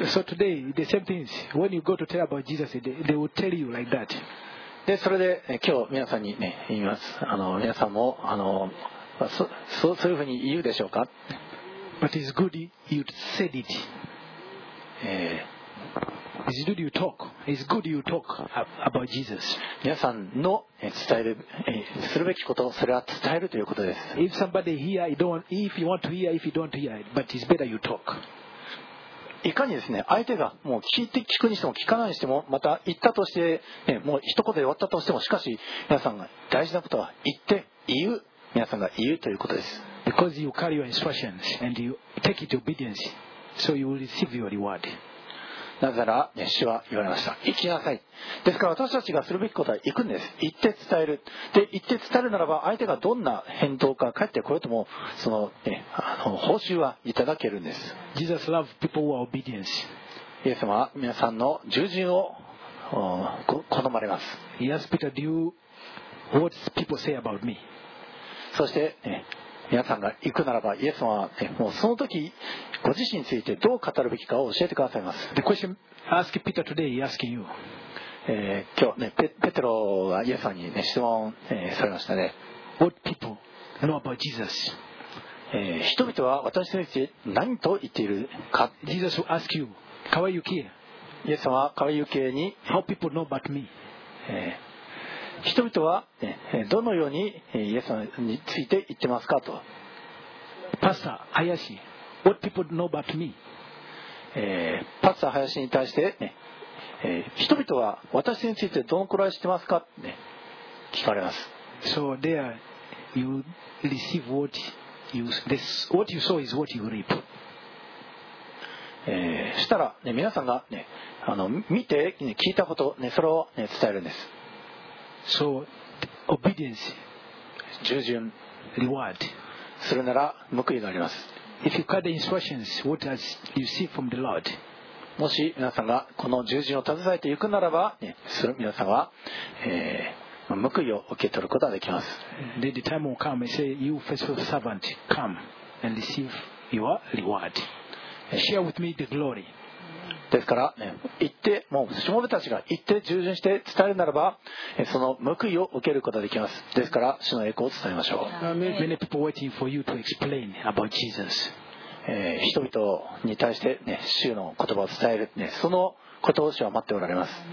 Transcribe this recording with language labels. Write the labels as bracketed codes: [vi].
[en] So today the same things. When you go to tell about Jesus, they will tell you like that. [ja] でそれで今日皆さんにね言います。あの皆さんもあの そういうふうに言うでしょうか。 [en] But it's good you said it. It's good you talk. It's good you talk about Jesus. [ja] 皆さんの伝えるするべきこと、それは伝えるということです。 [en] If somebody hear, if you want to hear, if you don't hear, but it's better you talk. [ja] いかにですね、相手がもう聞くにしても聞かないにしても、また言ったとして、もう一言で終わったとしても、しかし皆さんが大事なことは言って言う、皆さんが言うということです。 [en] Because you carry your instructions and you take it obedience, so you will receive your reward. [ja] なぜなら、ね、主は言われました、行きなさい。ですから私たちがするべきことは行くんです、行って伝える。で行って伝えるならば、相手がどんな返答か返ってこようとも、その、ね、あの報酬はいただけるんです。 [en] Jesus loves people who are obedience. [ja] イエス様は皆さんの従順を好まれます。 [en] Yes, Peter, do you what people say about me? [ja] そして、ね、皆さんが行くならば、イエス様は、ね、もうその時ご自身についてどう語るべきかを教えてくださいます。 [en] The question ask Peter today, asking you. [ja] 今日、ね、ペテロがイエス様に、ね、質問、されましたね。 [en] What people know about Jesus? [ja] 人々は私について何と言っているか。 [en] Jesus will ask you, how are you here? [ja] イエス様は [en] how are you here [ja] に、 [en] How people know about me? [ja] 人々は、ね、どのようにイエス様について言ってますかと。 [en] パスタ林、What people know about me? [ja] パスタ林に対して、ね、人々は私についてどのくらい知ってますかって、ね、聞かれます。 [en] So there you receive what you this what you sow is what you reap. [ja] したら、ね、皆さんが、ね、あの見て、ね、聞いたこと、ね、それを、ね、伝えるんです。 [en] So, obedience, [ja] 従順、 [en] reward. [ja] するなら報いがあります。 [en] If you carry the instructions, what has you see from the Lord? [ja] もし皆さんがこの従順を携えていくならば、する皆さんは、報いを受け取ることができます。 [en] Then the time will come and say, you faithful servant, come and receive your reward. Share with me the glory. [ja] ですから、ね、行って、もう、しもべたちが行って従順して伝えるならば、その報いを受けることができます。ですから、主の栄光を伝えましょう。 [en] Many people waiting for you to explain about Jesus. [ja] 人々に対して、ね、主の言葉を伝える、ね、そのことを主は待っておられます。